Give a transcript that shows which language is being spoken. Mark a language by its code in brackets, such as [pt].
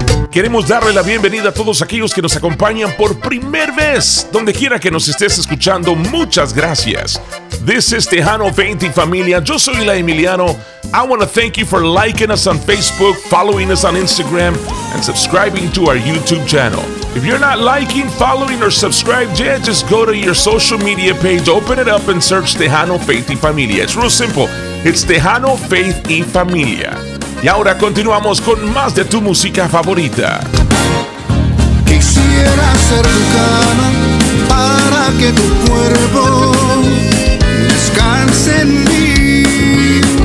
[es] Queremos darle la bienvenida a todos aquellos que nos acompañan por primera vez. Donde quiera que nos estés escuchando, muchas gracias. [en] This is [es] Tejano, Faith y Familia. Yo soy La Emiliano. [en] I want to thank you for liking us on Facebook, following us on Instagram, and subscribing to our YouTube channel. If you're not liking, following, or subscribed yet, just go to your social media page, open it up, and search Tejano, Faith y Familia. It's real simple. It's Tejano, Faith y Familia. [es] Y ahora continuamos con más de tu música favorita. Quisiera ser tu cama para que tu cuerpo descanse en mí.